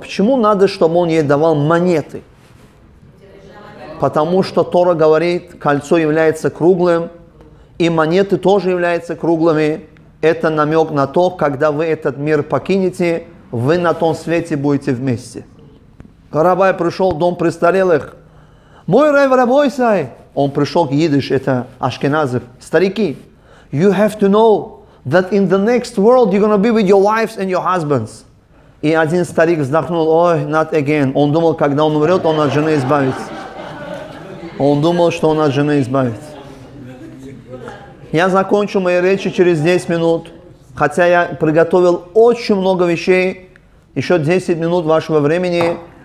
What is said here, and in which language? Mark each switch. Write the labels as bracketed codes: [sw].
[ru] Почему надо, чтобы он ей давал монеты? Потому что Тора говорит, кольцо является круглым, и монеты тоже являются круглыми. Это намек на то, когда вы этот мир покинете, вы на том свете будете вместе. Рабай пришел в дом престарелых. Мой рэв рабойсай. Он пришел к идиш, это ашкеназы. Старики, [en] you have to know that in the next world you're going to be with your wives and your husbands. [ru] И один старик вздохнул: ой, [en] not again. [ru] Он думал, когда он умрет, он от жены избавится. Он думал, что он от жены избавится. Я закончу мои речи через 10 минут. Хотя я приготовил очень много вещей, еще 10 минут вашего времени.